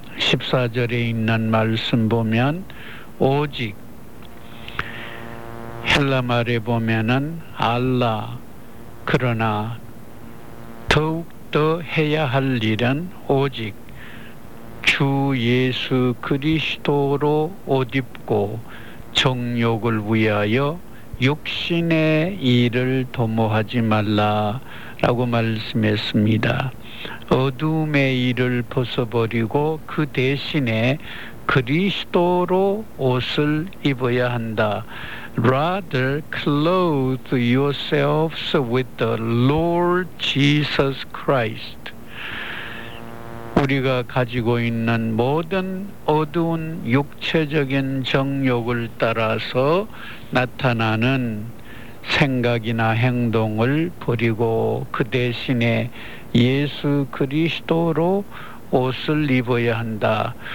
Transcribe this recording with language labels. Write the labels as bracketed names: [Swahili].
[Korean] 14절에 있는 말씀 보면 오직 헬라말에 보면은 알라 그러나 더욱더 해야 할 일은 오직 주 예수 그리스도로 옷 입고 정욕을 위하여 육신의 일을 도모하지 말라라고 말씀했습니다. 어둠의 일을 벗어버리고 그 대신에 그리스도로 옷을 입어야 한다. [English] Rather clothe yourselves with the Lord Jesus Christ. [Korean] 우리가 가지고 있는 모든 어두운 육체적인 정욕을 따라서 나타나는 생각이나 행동을 버리고 그 대신에 예수 그리스도로 옷을 입어야 한다.